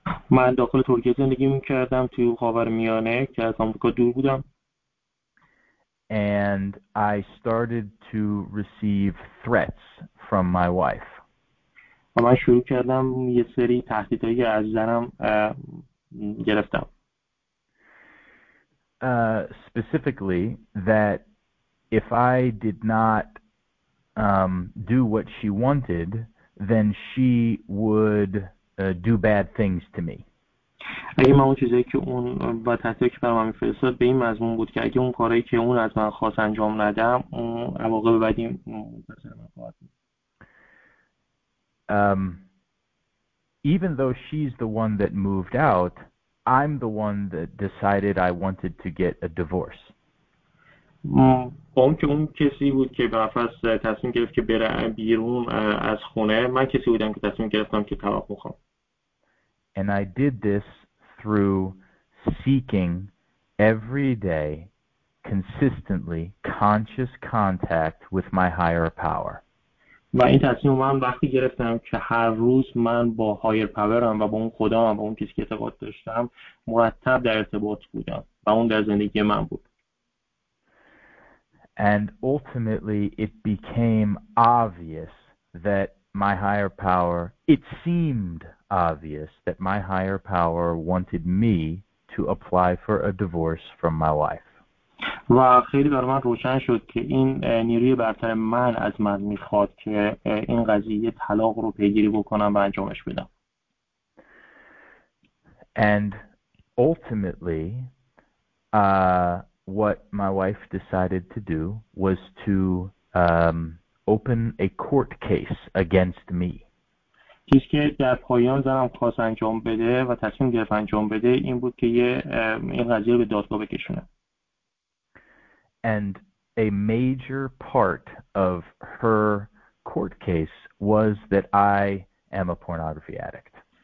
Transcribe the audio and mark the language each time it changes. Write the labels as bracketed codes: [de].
[fa] من داخل ترکیه زندگی میکردم توی خاورمیانه که از آمریکا دور بودم. [en] And I started to receive threats from my wife. [fa] و من شروع کردم یه سری تهدیدهایی از زنم گرفتم. [en] Specifically, that if I did not do what she wanted, then she would do bad things to me. [fa] اگه من اون چیزایی که اون با تحتیه که برام میفرستاد به این مضمون بود که اگه اون کارهایی که اون از من خواست انجام ندم اون عواقب بدی منتظر من خواهد بود. [en] Even though she's the one that moved out, I'm the one that decided I wanted to get a divorce. [fa] با اون که اون کسی بود که به نفس تصمیم گرفت که بره بیرون از خونه، من کسی بودم که تصمیم گرفتم که طلاق بخوام. [en] And I did this through seeking every day, consistently, conscious contact with my higher power. [fa] و این تصمیم من وقتی گرفتم که هر روز من با هایر پاورم و با اون خدام و با اون کسی که اعتقاد داشتم مرتب در ارتباط بودم و اون در زندگی من بود. [en] And ultimately, it became obvious that my higher power, it seemed obvious that my higher power wanted me to apply for a divorce from my wife. [fa] و خیلی برای من روشن شد که این نیروی برتر من از من میخواد که این قضیه طلاق رو پیگیری بکنم و انجامش بدم. [en] And ultimately, what my wife decided to do was to open a court case against me. [fa] چیزی که در پایان زنم خواست انجام بده و تصمیم گرفت انجام بده این بود که این قضیه رو به دادگاه بکشونه. [en] And a major part of her court case was that I am a pornography addict.